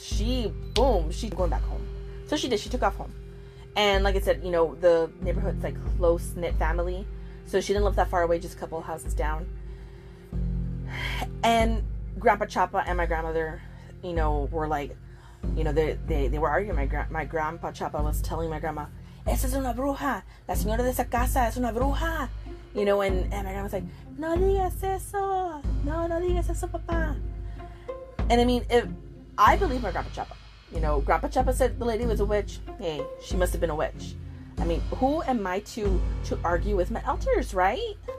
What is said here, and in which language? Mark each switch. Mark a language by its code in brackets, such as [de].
[en] She's going back home. So she did. She took off home, and like I said, you know, the neighborhood's like close knit family, so she didn't live that far away, just a couple of houses down. And Grandpa Chapa and my grandmother, you know, were like, you know, they were arguing. My Grandpa Chapa was telling my grandma, [es] "Esa es una bruja. La señora de esa casa es una bruja." [en] You know, and my grandma was like, [es] "No digas eso. No, no digas eso, papá." [en] And I mean, I believe my Grandpa Chapa. You know, Grandpa Chapa said the lady was a witch. Hey, she must have been a witch. I mean, who am I to argue with my elders, right?